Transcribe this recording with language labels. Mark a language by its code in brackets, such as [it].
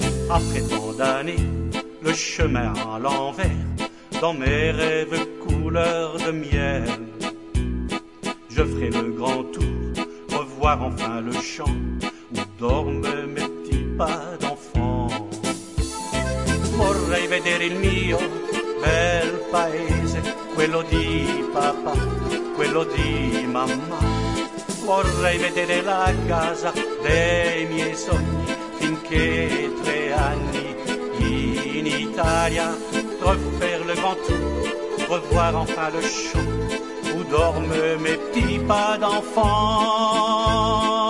[fr] Après tant d'années, le chemin à l'envers, dans mes rêves couleur de miel. Je ferai le grand tour, revoir enfin le champ où dorment mes petits pas d'enfant. [it] Vorrei vedere il mio bel paese, quello di papà, quello di mamma. Vorrei vedere la casa dei miei sogni, finché 3 anni in Italia. [fr] Refaire le grand tour, revoir enfin le champ où dorment mes petits pas d'enfant.